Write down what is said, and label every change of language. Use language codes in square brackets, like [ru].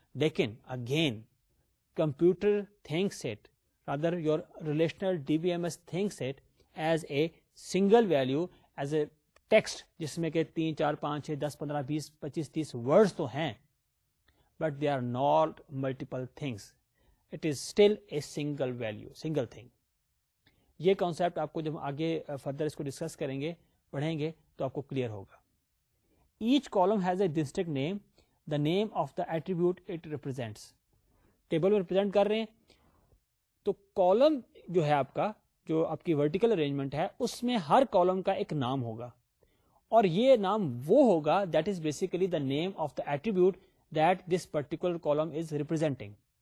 [en] لیکن again computer thinks it rather your relational D B M S thinks it as a single value as a text, [ur] جس میں کہ 3, 4, 5, 6, 10, 15, 20, 25, 30 words تو ہیں, [en] But they are not multiple things, it is still a single value, single thing. [ur] یہ concept آپ کو جب آگے فردر اس کو ڈسکس کریں گے, پڑھیں گے, تو آپ کو کلیئر ہوگا. [en] Each column has a distinct name, the name of the attribute it represents. [ur] Table میں ریپرزینٹ کر رہے ہیں تو کالم جو ہے آپ کا, جو آپ کی ورٹیکل ارینجمنٹ ہے, اس میں ہر کالم کا ایک نام ہوگا, اور یہ نام وہ ہوگا [en] That is basically the name of the attribute that this particular column is representing.